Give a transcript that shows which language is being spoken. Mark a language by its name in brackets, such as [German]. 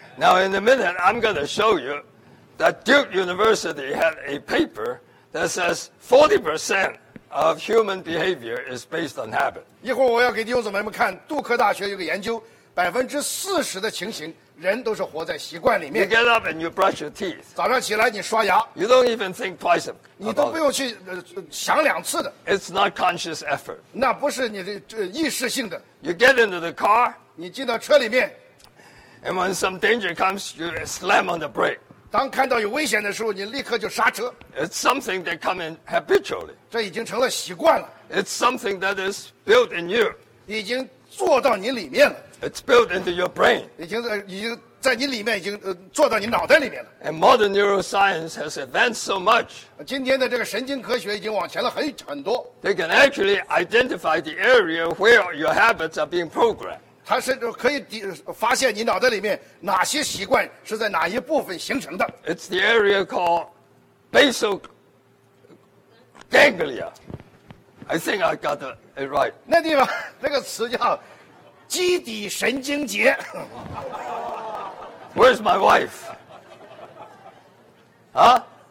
[English] now in a minute I'm going to show you that Duke University had a paper that says 40% of human behavior is based on habit [Chinese] 一会儿我要给弟兄姊妹们看杜克大学有个研究40%的情形人都是活在习惯里面 [English] You get up and you brush your teeth [Chinese] 早上起来你刷牙 [English] You don't even think twice about it [Chinese] 你都不用去想两次的 [English] It's not conscious effort [Chinese] 那不是你的意识性的 [English] You get into the car [Chinese] 你进到车里面 [English] And when some danger comes you slam on the brake [Chinese] 当看到有危险的时候你立刻就刹车 [English] It's something that comes in habitually [Chinese] 这已经成了习惯了 [English] It's something that is built in you [Chinese] 已经做到你里面了 [English] It's built into your brain. [Chinese] 已经在你里面已经做到你脑袋里面了。 [English] And modern neuroscience has advanced so much. [Chinese] 今天的这个神经科学已经往前了很多。 [English] They can actually identify the area where your habits are being programmed. [Chinese] 它是可以发现你脑袋里面哪些习惯是在哪一部分形成的。 [English] It's the area called basal ganglia. I think I got it right. [Chinese] 那地方那个词叫。基底神经节 [English] Where's my wife? Huh?